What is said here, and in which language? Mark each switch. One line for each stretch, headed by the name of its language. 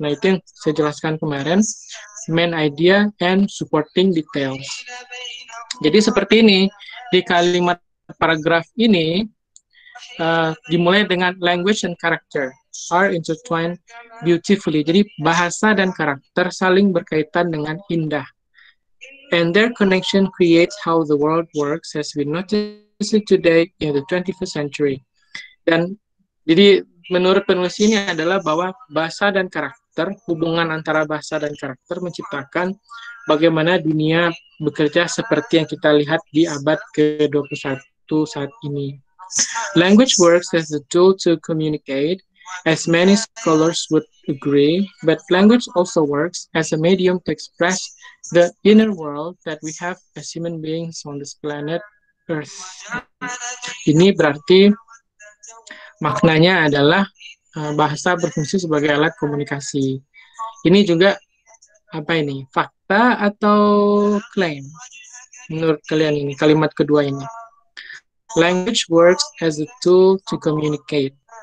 Indonesian: Nah, itu yang saya jelaskan kemarin.
English: Main idea and supporting details.
Indonesian: Jadi, seperti ini. Di kalimat paragraf ini, dimulai dengan
English: language and character are intertwined beautifully.
Indonesian: Jadi, bahasa dan karakter saling berkaitan dengan indah.
English: And their connection creates how the world works as we notice it today in the 21st century.
Indonesian: Dan jadi menurut penulis ini adalah bahwa bahasa dan karakter, hubungan antara bahasa dan karakter menciptakan bagaimana dunia bekerja seperti yang kita lihat di abad ke-21 saat ini.
English: Language works as a tool to communicate, as many scholars would agree, but language also works as a medium to express the inner world that we have as human beings on this planet Earth.
Indonesian: Ini berarti maknanya adalah bahasa berfungsi sebagai alat komunikasi. Ini juga apa ini? Fakta atau claim? Menurut kalian ini kalimat kedua ini.
English: Language works as a tool to communicate.